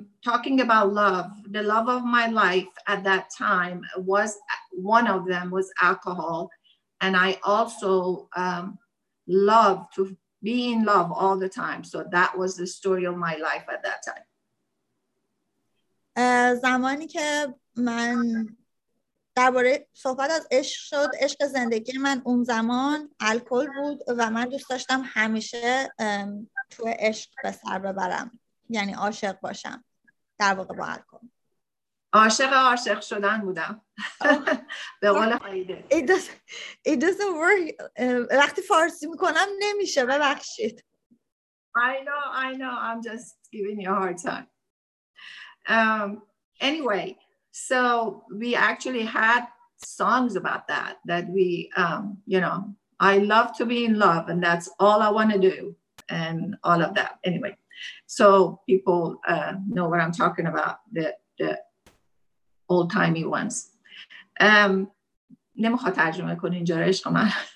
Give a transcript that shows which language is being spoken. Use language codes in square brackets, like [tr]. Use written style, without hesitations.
[en] Talking about love, the love of my life at that time was, one of them was alcohol, and I also love to be in love all the time. So that was the story of my life at that time. [fa] زمانی که من درباره صحبت از عشق شد، عشق زندگی من اون زمان الکل بود و من دوست داشتم همیشه تو عشق به سر ببرم، یعنی عاشق باشم در واقع با الکل. عاشق شدن بودم. به قول [en] خیده. It doesn't work. [fa] وقتی فارسی میکنم نمیشه، ببخشید. [en] I know. I'm just giving you a hard time. Anyway, so we actually had songs about that we, I love to be in love and that's all I want to do and all of that. Anyway, so people know what I'm talking about. The old timey ones. [fa] نمیخواد ترجمه کنه اینجا را عشق من.